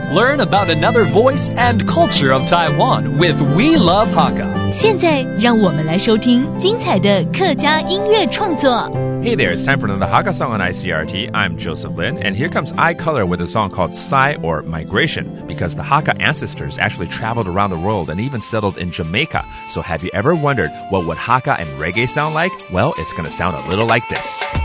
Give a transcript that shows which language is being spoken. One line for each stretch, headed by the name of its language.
English: Learn about another voice and culture of Taiwan with We Love Hakka。
Chinese: 现在让我们来收听精彩的客家音乐创作。
English: Hey there, it's time for another Hakka song on ICRT. I'm Joseph Lin, and here comes iColor with a song called Sai or Migration, because the Hakka ancestors actually traveled around the world and even settled in Jamaica. So have you ever wondered what would Hakka and reggae sound like? Well, it's going to sound a little like this.